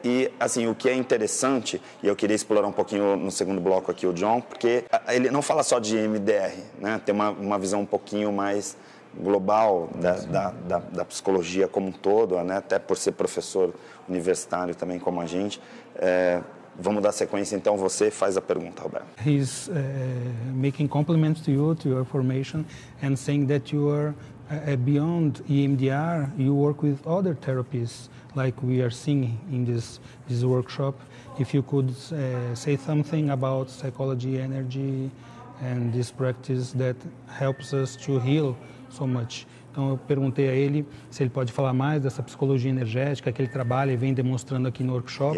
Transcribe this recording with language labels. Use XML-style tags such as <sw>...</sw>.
<pt>E, assim, o que é interessante, e eu queria explorar um pouquinho no segundo bloco aqui o John, porque ele não fala só de EMDR, né, tem uma visão um pouquinho mais global da psicologia como um todo, né, até por ser professor universitário também como a gente. Vamos dar sequência, então você faz a pergunta, Roberto.</pt> <en>He's making compliments to you, to your formation, and saying that you are beyond EMDR, you work with other therapies, like we are seeing in this workshop. If you could say something about psychology, energy, and this practice that helps us to heal so much.</en> <pt>Então eu perguntei a ele se ele pode falar mais dessa psicologia energética que ele trabalha e vem demonstrando aqui no workshop.</pt>